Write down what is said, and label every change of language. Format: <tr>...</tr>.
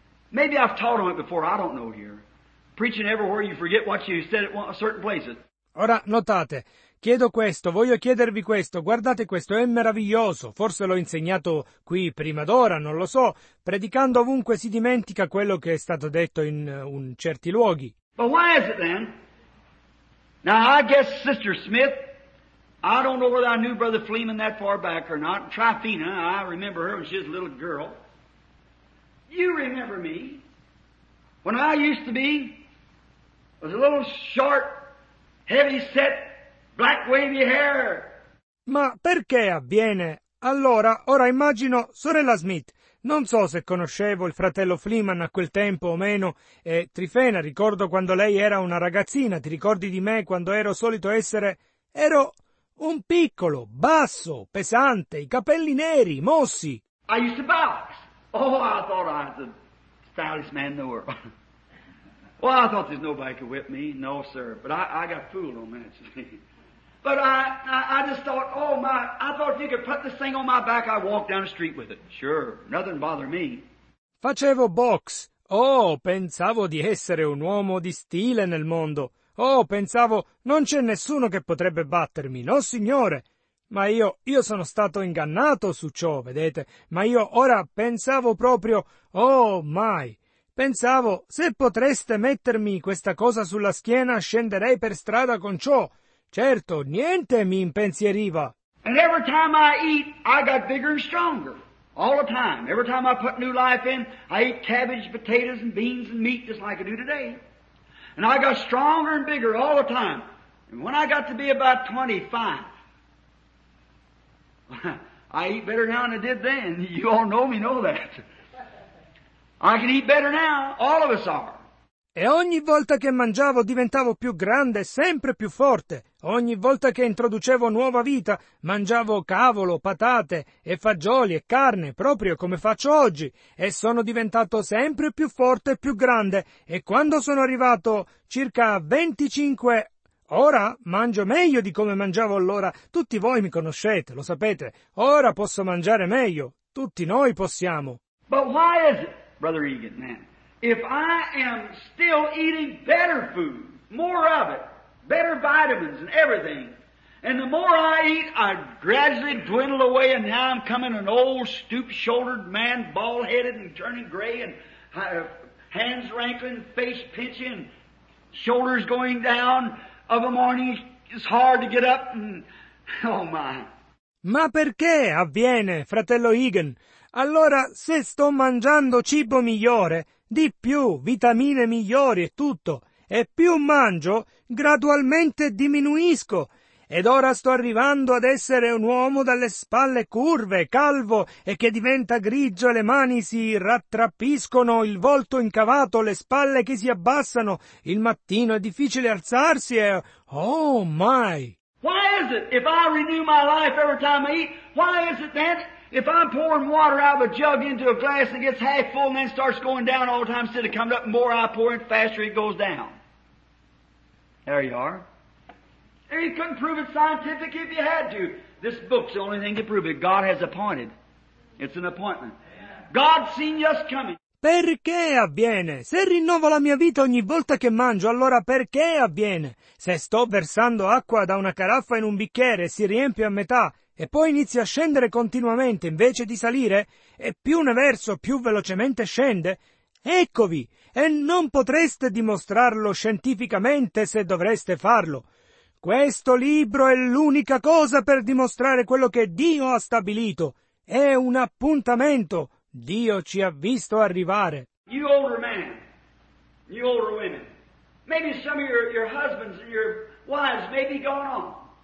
<en>Maybe I've taught on it before. I don't know here. Preaching everywhere, you forget what you said at certain places.</en> <it>Ora, notate. Chiedo questo. Voglio chiedervi questo. Guardate questo. È meraviglioso. Forse l'ho insegnato qui prima d'ora, non lo so. Predicando ovunque si dimentica quello che è stato detto in certi luoghi.</it> <en>But why is it then? Now, I guess Sister Smith... I don't know whether I knew Brother Fleeman that far back or not. Tryphena, I remember her when she was a little girl. You remember me. When I used to be, was a little short, heavy-set, black wavy hair.</en> <it>Ma perché avviene? Allora, ora immagino sorella Smith. Non so se conoscevo il fratello Fleeman a quel tempo o meno, e Tryphena, ricordo quando lei era una ragazzina. Ti ricordi di me quando ero solito essere... Ero... Un piccolo, basso, pesante, i capelli neri, mossi.</it> <en>I used to box. Oh, I thought I was the stylish man in the world. Well, I thought there's nobody could whip me. No, sir. But I got fooled on that. But I just thought, oh, my, I thought if you could put this thing on my back, I'd walk down the street with it. Sure, nothing bothered me.</en> <it>Facevo box. Oh, pensavo di essere un uomo di stile nel mondo. Oh, pensavo, non c'è nessuno che potrebbe battermi, no signore? Ma io sono stato ingannato su ciò, vedete? Ma io ora pensavo proprio, oh mai! Pensavo, se potreste mettermi questa cosa sulla schiena, scenderei per strada con ciò. Certo, niente mi impensieriva.</it> <en>And every time I eat, I got bigger and stronger. All the time. Every time I put new life in, I eat cabbage, potatoes and beans and meat just like I do today. And I got stronger and bigger all the time. And when I got to be about 25, I eat better now than I did then. You all know me, know that. I can eat better now. All of us are.</en> <it>E ogni volta che mangiavo diventavo più grande, sempre più forte. Ogni volta che introducevo nuova vita, mangiavo cavolo, patate e fagioli e carne, proprio come faccio oggi. E sono diventato sempre più forte e più grande. E quando sono arrivato circa 25... Ora mangio meglio di come mangiavo allora. Tutti voi mi conoscete, lo sapete. Ora posso mangiare meglio. Tutti noi possiamo.</it> <en>But why is it, Brother Egan, man? If I am still eating better food, more of it, better vitamins and everything, and the more I eat, I gradually dwindle away, and now I'm coming an old stoop-shouldered man, bald-headed and turning gray, and hands wrinkling, face pinching, shoulders going down. Of a morning, it's hard to get up and... Oh my.</en> <it>Ma perché avviene, fratello Egan? Allora, se sto mangiando cibo migliore, di più, vitamine migliori e tutto, e più mangio, gradualmente diminuisco. Ed ora sto arrivando ad essere un uomo dalle spalle curve, calvo, e che diventa grigio, le mani si rattrappiscono, il volto incavato, le spalle che si abbassano, il mattino è difficile alzarsi e...</it> <en>Oh, my! Why is it, if I renew my life every time I eat, why is it that, if I'm pouring water out of a jug into a glass that gets half full and then starts going down all the time, instead of coming up, more I pour it, faster it goes down? There you are. You couldn't prove it scientific if you had to. This book's the only thing to prove it. God has appointed. It's an appointment. God's seen us coming.</en> <it>Perché avviene? Se rinnovo la mia vita ogni volta che mangio, allora perché avviene? Se sto versando acqua da una caraffa in un bicchiere e si riempie a metà, e poi inizia a scendere continuamente invece di salire, e più ne verso, più velocemente scende, eccovi! E non potreste dimostrarlo scientificamente se dovreste farlo. Questo libro è l'unica cosa per dimostrare quello che Dio ha stabilito. È un appuntamento. Dio ci ha visto arrivare.</it> <en>You older men, you older women, maybe some of your husbands and your wives may be gone on.</en>